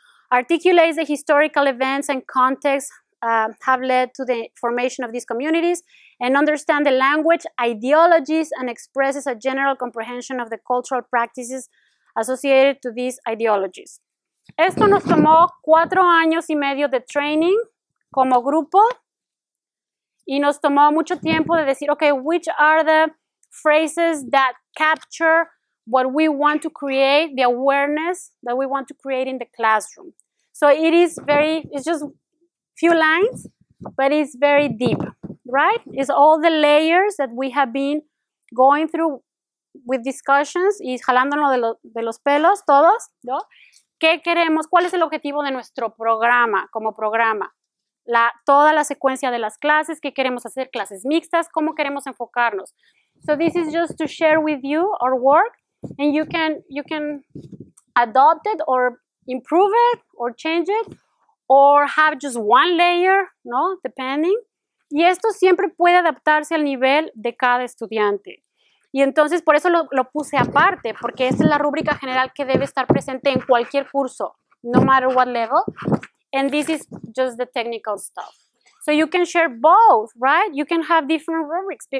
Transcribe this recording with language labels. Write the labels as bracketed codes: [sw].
[en] Articulates the historical events and context have led to the formation of these communities and understand the language ideologies and expresses a general comprehension of the cultural practices associated to these ideologies. [es] Esto nos tomó 4 años y medio de training como grupo y nos tomó mucho tiempo de decir, [en] okay, which are the phrases that capture what we want to create, the awareness that we want to create in the classroom. So it is very, it's just few lines, but it's very deep, right? It's all the layers that we have been going through with discussions, [es] y jalándonos de los pelos todos, ¿no? ¿Qué queremos? ¿Cuál es el objetivo de nuestro programa como programa? La, toda la secuencia de las clases, ¿qué queremos hacer? ¿Clases mixtas? ¿Cómo queremos enfocarnos? [en] So this is just to share with you our work, and you can adopt it or improve it or change it or have just one layer, ¿no? Depending. [es] Y esto siempre puede adaptarse al nivel de cada estudiante. Y entonces por eso lo puse aparte, porque esa es la rúbrica general que debe estar presente en cualquier curso, [en] no matter what level. And this is just the technical stuff. So you can share both, right? You can have different rubrics.